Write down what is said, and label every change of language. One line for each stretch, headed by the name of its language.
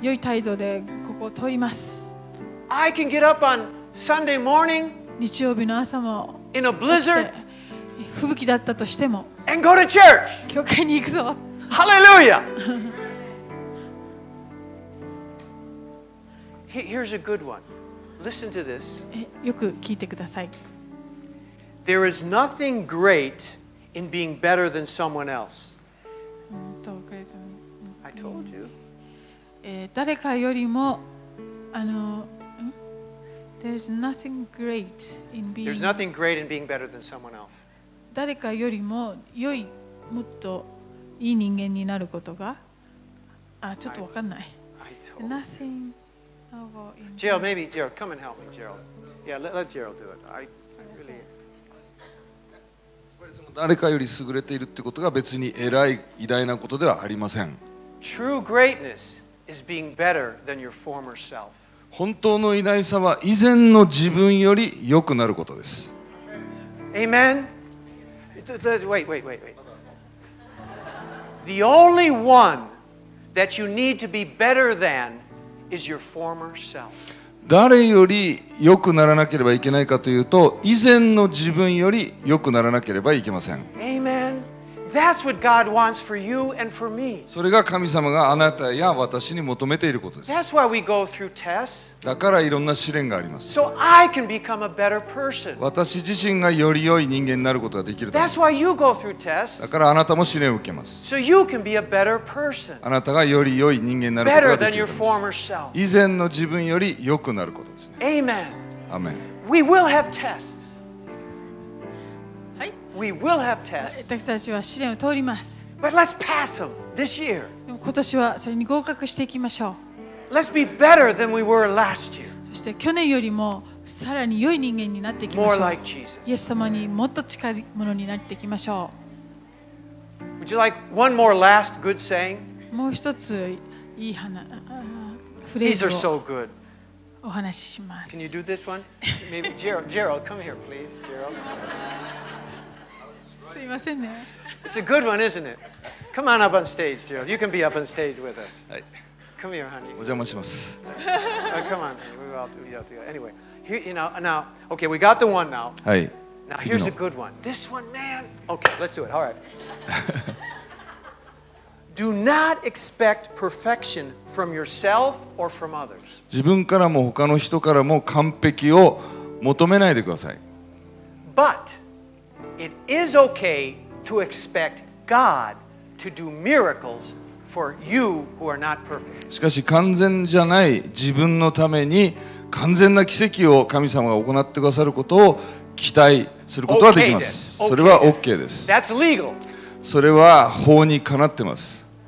Japanese: 良い態度でここを通ります。
English: I can get up on Sunday morning,
Japanese: 日曜日の朝も
English: in a blizzard,
Japanese: 吹雪だったとしても
English: and go to church.
Japanese: 教会に行くぞ。
English: Hallelujah! Here's a good one. Listen to this.
Japanese: よく聞いてください。
English: There is nothing great in being better than someone else. I told you.
Japanese: 誰かよりも、
English: There's nothing great in being. There's nothing great in being better than someone else.
Japanese: 誰かよりも良い、もっと。いい人間になることが、あ、ちょっとわかんない。
English: Nothing. Gerald, maybe Gerald, come and help me, Gerald. Yeah, let Gerald do it. I really.
Japanese: 誰かより優れているってことが別に偉い偉大なことではありません。
English: True greatness is being better than your former self.
Japanese: 本当の偉大さは以前の自分より良くなることです。
English: Amen. Wait. The only one that you need to be better than is your former self.
Japanese: 誰より良くならなければいけないかというと、以前の自分より良くならなければいけません。
English: Amen. That's what God wants for you and for me.
Japanese: それが神様があなたや私に求めていることです。
English: That's why we go through tests.
Japanese: だからいろんな試練があります。
English: So I can become a better person.
Japanese: 私自身がより良い人間になることができると思います。
English: That's why you go through tests.
Japanese: だからあなたも試練を受けます。
English: So you can be a better person.
Japanese: あなたがより良い人間になることができる。
English: Better than your former self.
Japanese: 以前の自分より良くなることですね。
English: Amen. Amen. We will have tests. We will have tests.
Japanese: 私たちは試練を通ります。
English: But let's pass them this year.
Japanese: でも今年はそれに合格していきましょう。
English: Let's be better than we were last year.
Japanese: そして去年よりもさらに良い人間になっていきましょう。
English: More like Jesus.
Japanese: イエス様にもっと近いものになっていきましょう。
English: Would you like one more last good saying?
Japanese: もう一ついい話、フレーズを。
English: These are so good.
Japanese: お話しします。
English: Can you do this one? Maybe Gerald. Gerald, come here, please, Gerald.
Japanese: すいませんね。
English: It's a good one, isn't it? Come on up on stage, Gerald. You can be up on stage with us. Come here, honey.
Japanese: お邪魔します。
English: Come on. We'll do it together. Anyway, here, you know, now, okay, we got the one now.
Japanese: はい。
English: Now, here's a good one. This one, man. Okay, let's do it. All right. Do not expect perfection from yourself or from others.
Japanese: 自分からも他の人からも完璧を求めないでください。
English: But,It is okay to expect God to do miracles for you who are not perfect.
Japanese: しかし完全じゃない自分のために完全な奇跡を神様が行ってくださることを期待することはできます。それは OK です。
English: That's legal.
Japanese: それは法にかなってます。